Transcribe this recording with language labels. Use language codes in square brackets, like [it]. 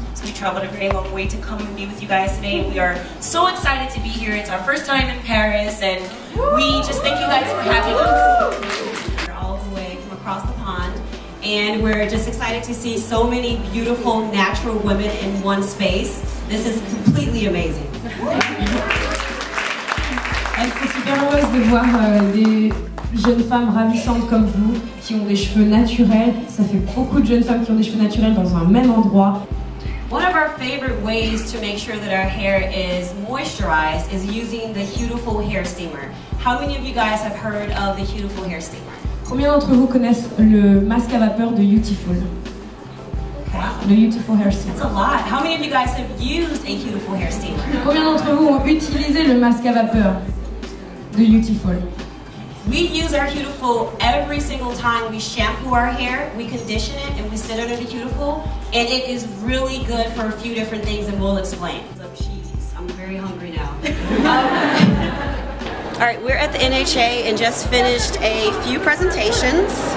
[en] So we traveled a very long way to come and be with you guys today. We are so excited to be here. It's our first time in Paris and we just thank you guys for having us. We're all the way from across the pond and we're just excited to see so many beautiful natural women in one space. This is completely amazing. [fr] C'est super heureuse de voir des jeunes femmes ravissantes comme vous qui ont des cheveux naturels. Ça fait beaucoup de jeunes femmes qui ont des cheveux naturels dans un même endroit. [en] One of our favorite ways to make sure that our hair is moisturized is using the Huetiful hair steamer. How many of you guys have heard of the Huetiful hair steamer? [fr] Combien d'entre vous connaissent le masque à vapeur de Huetiful? [en] Okay. [fr] Le Huetiful hair steamer. [en] That's a lot. How many of you guys have used a Huetiful hair steamer? [fr] Combien d'entre vous ont utilisé le masque à vapeur de Huetiful? [en] We use our Huetiful every single time we shampoo our hair, we condition it, and we sit under the Huetiful, and it is really good for a few different things, and we'll explain. Cheese, I'm very hungry now. All right, we're at the NHA and just finished a few presentations.